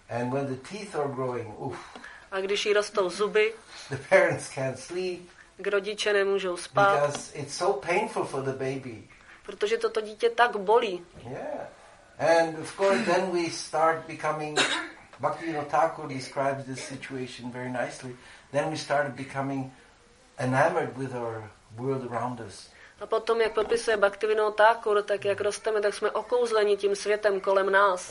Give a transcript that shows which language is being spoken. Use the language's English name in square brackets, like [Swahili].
[English] And when the teeth are growing, oof. [Czech] A když jí rostou zuby. [English] The parents can't sleep. [Czech] K rodiče nemůžou spát. [English] Because it's so painful for the baby. [Czech] Protože toto dítě tak bolí. [English] Yeah. And of course then we start becoming Bhaktivinoda Thakur describes this situation very nicely. Then we start becoming enamored with our world around us. [Czech] A potom jak popisuje Bhaktivinoda Thakur, tak jak rosteme, tak jsme okouzleni tím světem kolem nás.